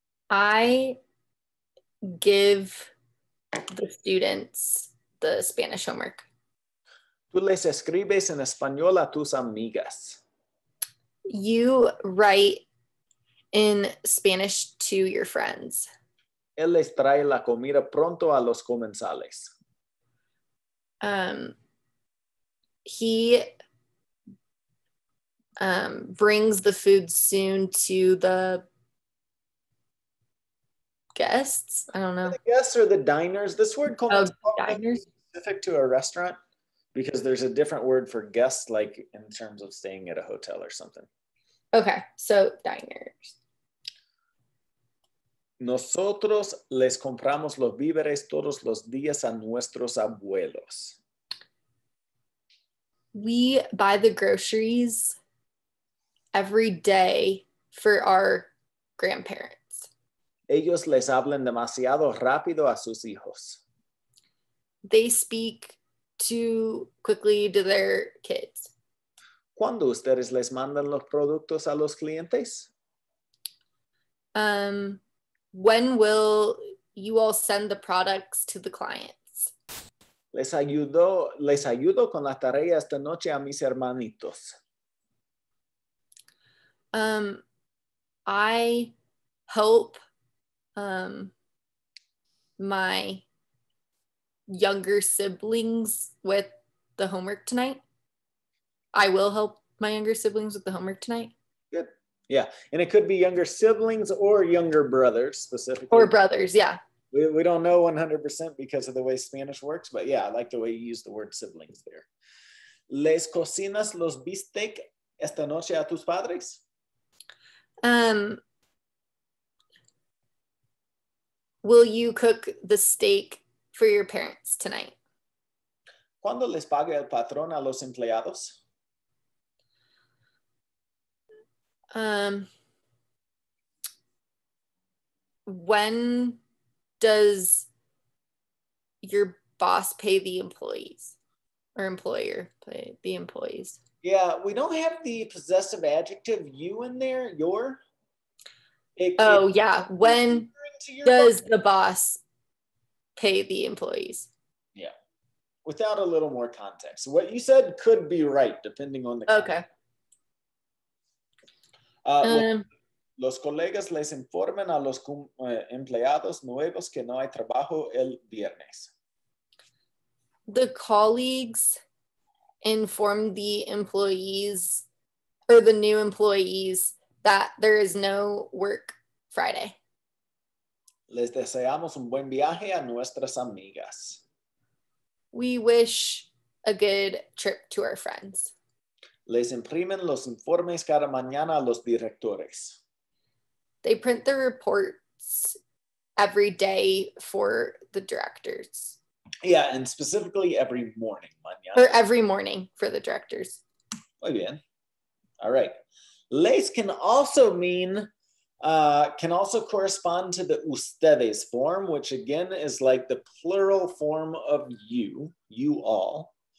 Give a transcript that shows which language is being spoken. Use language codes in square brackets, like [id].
[en] I give the students the Spanish homework. [es] Tú les escribes en español a tus amigas. [en] You write in Spanish to your friends. [es] Él les trae la comida pronto a los comensales. [en] He brings the food soon to the guests. I don't know. The guests or the diners. This word comes diners specific to a restaurant, because there's a different word for guests, like in terms of staying at a hotel or something. Okay, so diners. [es] Nosotros les compramos los víveres todos los días a nuestros abuelos. [en] We buy the groceries every day for our grandparents. [es] Ellos les hablan demasiado rápido a sus hijos. [en] They speak too quickly to their kids. [es] ¿Cuándo ustedes les mandan los productos a los clientes? [en] When will you all send the products to the clients? [es] Les ayudo con las tareas esta noche a mis hermanitos. [en] I help my younger siblings with the homework tonight. I will help my younger siblings with the homework tonight. Good. Yeah. And it could be younger siblings or younger brothers specifically. Or brothers, yeah. We don't know 100% because of the way Spanish works, but yeah, I like the way you use the word siblings there. [es] ¿Les cocinas los bistec esta noche a tus padres? [en] Will you cook the steak for your parents tonight? [es] ¿Cuándo les paga el patrón a los empleados? [en] When does your boss pay the employees, or employer pay the employees? Yeah, we don't have the possessive adjective you in there, your. When does the boss pay the employees? Yeah, without a little more context. What you said could be right, depending on the context. Okay. [es] Los colegas les informan a los empleados nuevos que no hay trabajo el viernes. [en] The colleagues inform the employees or the new employees that there is no work Friday. [es] Les deseamos un buen viaje a nuestras amigas. [en] We wish a good trip to our friends. [es] Les imprimen los informes cada mañana a los directores. [en] They print the reports every day for the directors. Yeah, and specifically every morning, mañana. Or every morning for the directors. Muy bien. All right. Les can also mean, can also correspond to the ustedes form, which again is like the plural form of you, you all.